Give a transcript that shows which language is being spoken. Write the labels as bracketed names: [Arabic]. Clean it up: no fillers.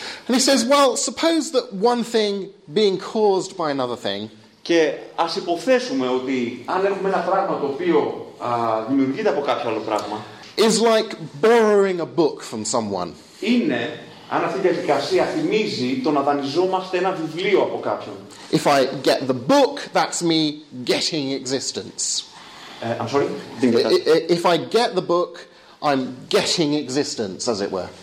[English] And he says, well, suppose that one thing being caused by another thing. [Greek] Και ας υποθέσουμε ότι αν έχουμε ένα πράγμα το οποίο δημιουργείται από κάποιο άλλο πράγμα. [English] Is like borrowing a book from someone. [Greek] Είναι, αν αυτή η διαδικασία θυμίζει, το να δανειζόμαστε ένα βιβλίο από κάποιον. [English] If I get the book, that's me getting existence. I'm sorry? If I get the book, I'm getting existence, as it were.